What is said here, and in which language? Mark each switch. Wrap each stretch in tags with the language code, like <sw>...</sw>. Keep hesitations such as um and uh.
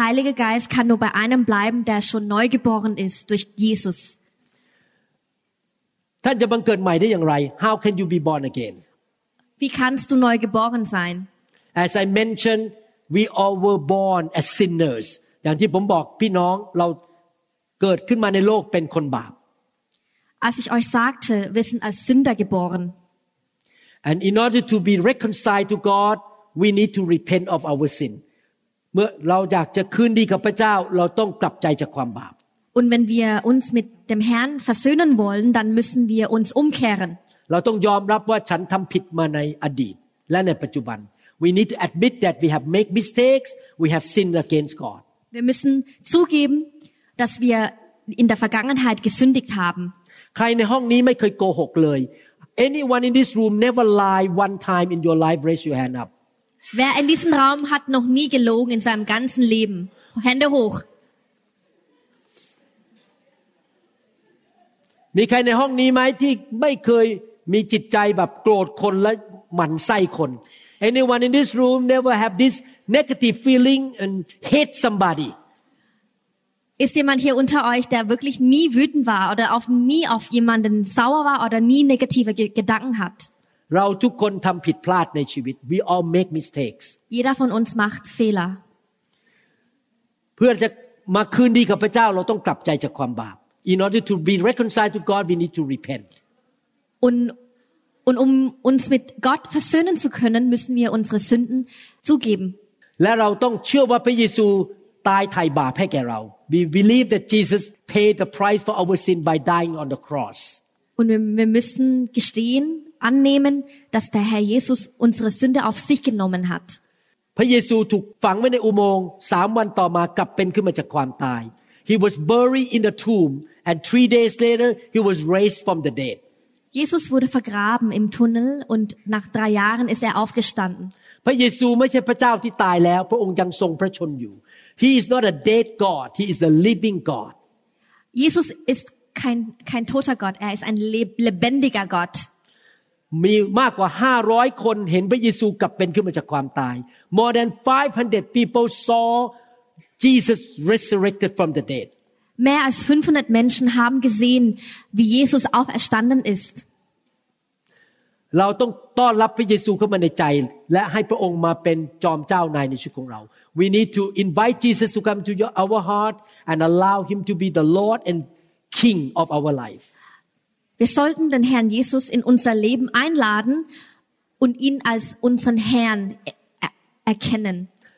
<de>Heilige Geist kann nur bei einem bleiben, der schon neu geboren ist durch Jesus.</de> <th>ท่านจะบังเกิดใหม่ได้อย่างไร</th> <en>How can you be born again</en> <de>Wie kannst du neu geboren sein</de> <en>As I mentioned we all were born as sinners</en> <th>อย่างที่ผมบอกพี่น้องเราเกิดขึ้นมาในโลกเป็นคนบาป</th> <de>As ich euch sagte wir sind als Sünder geboren</de> <en>And in order to be reconciled to God we need to repent of our sin</en> <th>เมื่อเราอยากจะคืนดีกับพระเจ้าเราต้องกลับใจจากความบาป</th> <de>Und wenn wir uns mit dem Herrn versöhnen wollen, dann müssen wir uns umkehren. Wir müssen zugeben, dass wir in der Vergangenheit gesündigt haben. Wer in diesem Raum hat noch nie gelogen in seinem ganzen Leben? Hände hoch.</de> <th>มีใครในห้องนี้ไหมที่ไม่เคยมีจิตใจแบบโกรธคนและหมั่นไส้คน</th> <en>Anyone in this room never have this negative feeling and hate somebody?</en> <de>Ist jemand hier unter euch, der wirklich nie wütend war oder auf, nie auf jemanden sauer war oder nie negative Gedanken hat?</de> <th>เราทุกคนทำผิดพลาดในชีวิต</th> <en>We all make mistakes.</en> <de>Jeder von uns macht Fehler.</de> <th>เพื่อจะมาคืนดีกับพระเจ้าเราต้องกลับใจจากความบาป</th> <en>In order to be reconciled to God, we need to repent.</en> <de>Und und um uns mit Gott versöhnen zu können, müssen wir unsere Sünden zugeben.</de> <th>และเราต้องเชื่อว่าพระเยซูตายไถ่บาปให้แก่เรา</th> <en>We believe that Jesus paid the price for our sin by dying on the cross.</en> <de>Und wir, wir müssen gestehen, annehmen, dass der Herr Jesus unsere Sünde auf sich genommen hat.</de> <th>พระเยซูถูกฝังไว้ในอุโมงค์สามวันต่อมากลับเป็นขึ้นมาจากความตาย</th> <en>He price was buried in the tomb And three days later, he was raised from the dead.</en> <de>Jesus wurde vergraben im Tunnel und nach drei Jahren ist er aufgestanden.</de> <th>พระเยซูไม่ใช่พระเจ้าที่ตายแล้วพระองค์ยังทรงพระชนอยู่</th> <en>He is not a dead God He is a living God Jesus</en> <de>ist kein kein toter Gott er ist ein lebendiger Gott</de> <th>มีมากกว่า500คนเห็นพระเยซูกลับเป็นขึ้นมาจากความตาย</th> <en>More than 500 people saw Jesus resurrected from the dead</en> <de>Mehr als 500 Menschen haben gesehen, wie Jesus auferstanden ist.</de> <th>เราต้องต้อนรับพระเยซูเข้ามาในใจและให้พระองค์มาเป็นจอมเจ้านายในชีวิตของเรา</th> <en>We need to Jesus to come to our heart and allow him to be</en> <de>Wir sollten den Herrn Jesus in unser Leben einladen und ihn als unseren Herrn erkennen.</de>